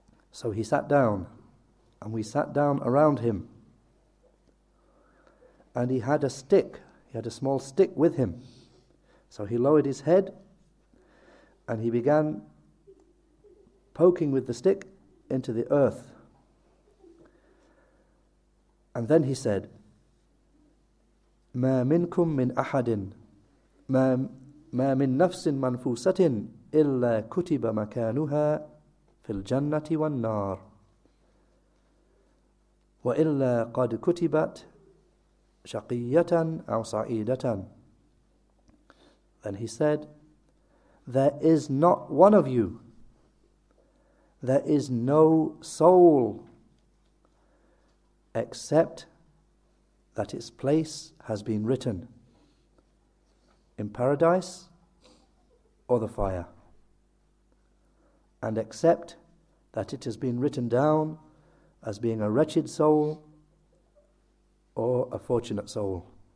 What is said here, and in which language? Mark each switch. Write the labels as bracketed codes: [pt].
[en] So he sat down, and we sat down around him. And he had a stick, he had a small stick with him. So he lowered his head, and he began poking with the stick into the earth. And then he said, [ar] مَا مِنْكُمْ مِنْ أَحَدٍ مَا مِنْ نَفْسٍ مَنْفُوسَةٍ إِلَّا كُتِبَ مَكَانُهَا فِي الْجَنَّةِ وَالنَّارِ وَإِلَّا قَدْ كُتِبَتْ شَقِيَّةً أَوْ صَعِيدَةً. [en] Then he said, there is not one of you, there is no soul except that its place has been written in paradise or the fire, and except that it has been written down as being a wretched soul or a fortunate soul.